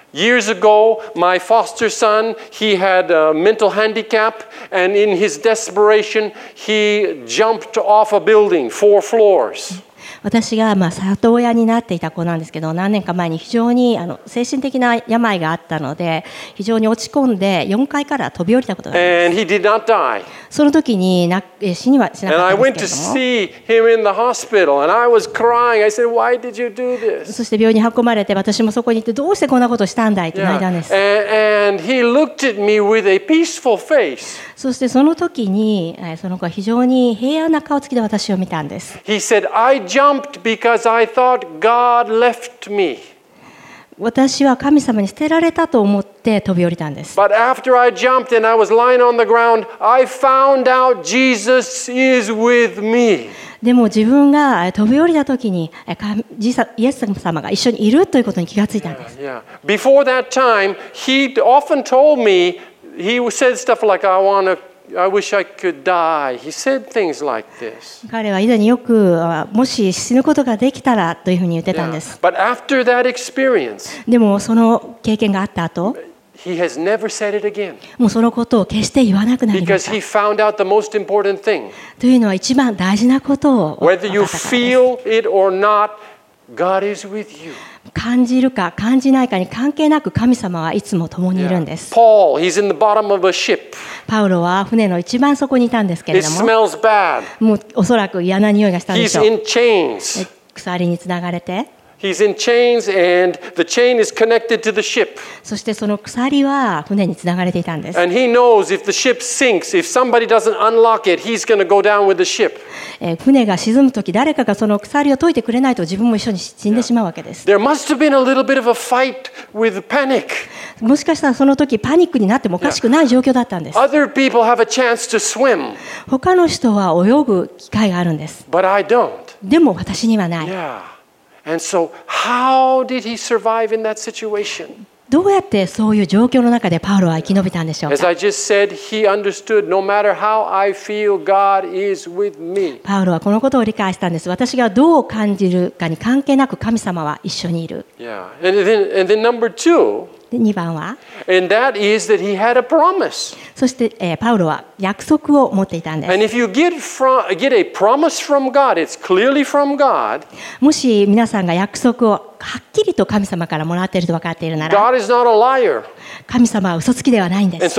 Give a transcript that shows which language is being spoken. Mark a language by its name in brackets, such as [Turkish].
[English] Years ago, my foster son, he had a mental handicap, and in his desperation, he jumped off a building, four floors. [Japanese] 私がまあ里親になっていた子なんですけど、何年か前に非常に精神的な病があったので、非常に落ち込んで4階から飛び降りたことがあります。その時に死にはしなかったんですけども。そして病院に運ばれて、私もそこに行って、どうしてこんなことをしたんだいって泣いたんです。 [English] And he looked at me with a peaceful face. [Japanese] そしてその時に、その子は非常に平安な顔つきで私を見たんです。 [English] He said, I jumped because I thought God left me. [Japanese] 私は神様に捨てられたと思って飛び降りたんです。 [English] But after I jumped and I was lying on the ground, I found out Jesus is with me. [Japanese] でも自分が飛び降りた時にイエス様が一緒にいるということに気がついたんです。 [English] Before that time, he'd often told me, he said stuff like, I wish I could die. He said things like this. [Japanese] 彼は以前によくもし死ぬことができたらというふうに言ってたんです。 [English] But after that experience, [Japanese] でもその経験があった後、 [English] he has never said it again. [Japanese] もうそのことを決して言わなくなりました。 [English] Because he found out the most important thing. [Japanese] というのは一番大事なことを分かったからです。 [English] Whether you feel it or not, God is with you. [Japanese] 感じるか感じないかに関係なく神様はいつも共にいるんです。 [English] Paul, he's in the bottom of a ship. [Japanese] パウロは船の一番底にいたんですけれども。 [English] It smells bad. [Japanese] もうおそらく嫌な匂いがしたんでしょう。 [English] He's in chains. [Japanese] 鎖につながれて。 [English] He's in chains and the chain is connected to the ship. [Japanese] そしてその鎖は船につながれていたんです。 [English] And he knows if the ship sinks, if somebody doesn't unlock it, he's going to go down with the ship. [Japanese] 船が沈むとき誰かがその鎖を解いてくれないと自分も一緒に死んでしまうわけです。 [English] There must have been a little bit of a fight with panic. [Japanese] もしかしたらその時パニックになってもおかしくない状況だったんです。 [English] Other people have a chance to swim. [Japanese] 他の人は泳ぐ機会があるんです。 [English] But I don't. [Japanese] でも私にはない。 [English] Yeah. And so, how did he survive in that situation? [Japanese] どうやってそういう状況の中でパウロは生き延びたんでしょうか? [English] As I just said, he understood, no matter how I feel, God is with me. [Japanese] パウロはこのことを理解したんです。私がどう感じるかに関係なく神様は一緒にいる。 [English] Yeah. And then number two, [Japanese] 二番は? [English] And that is that he had a promise. [Japanese] そして、パウロは約束を持っていたんです。 [English] And if you get a promise from God, it's clearly from God. [Japanese] もし皆さんが約束をはっきりと神様からもらっていると分かっているなら、 [English] God is not a liar. [Japanese] 神様は嘘つきではないんです。